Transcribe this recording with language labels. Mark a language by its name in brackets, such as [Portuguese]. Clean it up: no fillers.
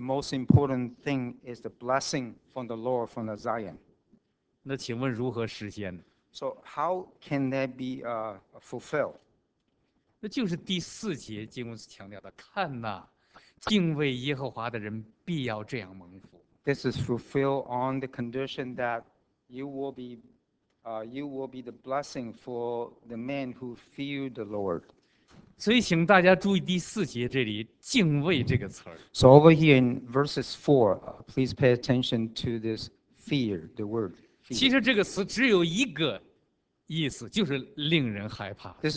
[English] most important thing is the blessing from the Lord from the Zion. [Chinese] 那请问如何实现呢？ [English] So how can that be fulfilled? [Chinese] 那就是第四节经文强调的，看哪，敬畏耶和华的人必要这样蒙福。 [English] This is fulfilled on the condition that you will be. You will be the blessing for the man who fear the Lord. [Chinese] 所以请大家注意第四节这里敬畏这个词。 [English] So over here in verses 4, please pay attention to this fear, the word fear. [Chinese] 其实这个词只有一个意思，就是令人害怕。 [English] This